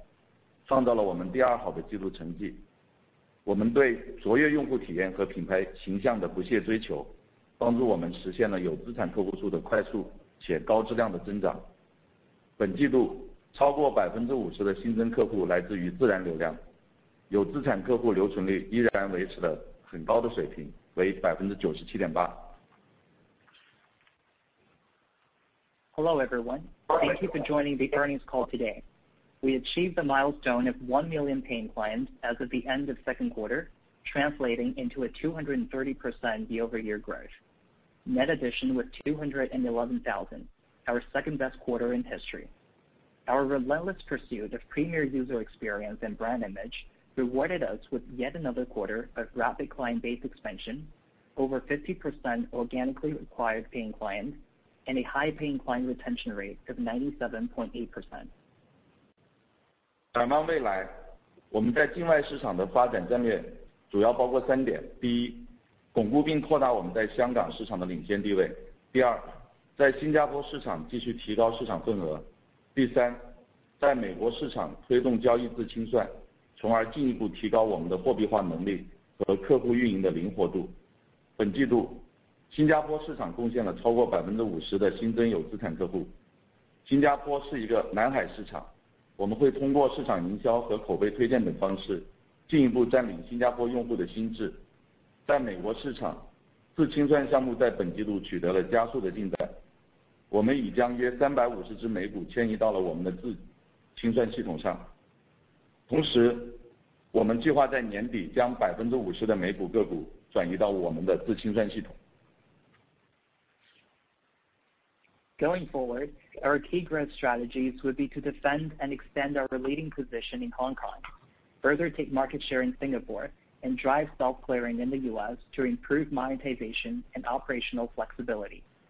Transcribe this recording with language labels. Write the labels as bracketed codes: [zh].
[zh] 大家好，感谢大家参加富途2021年二季度的业绩发布会。本季度，富途实现了一个重要的里程碑，有资产客户数突破了100万人，相比去年同期增长230%，有资产客户数在本季度增长了21.1万，创造了我们第二好的季度成绩。我们对卓越用户体验和品牌形象的不懈追 求， 帮助我们实现了有资产客户数的快速且高质量的增长。本季 度， 超过50%的新增客户来自于自然流 量， 有资产客户留存率依然维持了很高的水 平， 为97.8%。 [en] Hello, everyone. Thank you for joining the earnings call today. We achieved the milestone of 1 million paying clients as of the end of second quarter, translating into a 230% year-over-year growth. Net addition was 211,000, our second-best quarter in history. Our relentless pursuit of premier user experience and brand image rewarded us with yet another quarter of rapid client base expansion, over 50% organically acquired paying clients, and a high paying client retention rate of 97.8%. [zh] 展望未 来， 我们在境外市场的发展战略主要包括三点。第 一， 巩固并扩大我们在香港市场的领先地位。第 二， 在新加坡市场继续提高市场份额。第 三， 在美国市场推动交易自清 算， 从而进一步提高我们的货币化能力和客户运营的灵活度。本季 度， 新加坡市场贡献了超过50%的新增有资产客户。新加坡是一个蓝海市场，我们会通过市场营销和口碑推荐等方式进一步占领新加坡用户的心智。在美国市 场， 自清算项目在本季度取得了加速的进展。我们已将约350只美股迁移到了我们的自清算系统上。同 时， 我们计划在年底将50%的美股个股转移到我们的自清算系统。 [en] Going forward, our key growth strategies would be to defend and extend our leading position in Hong Kong, further take market share in Singapore, and drive self-clearing in the U.S. to improve monetization and operational flexibility.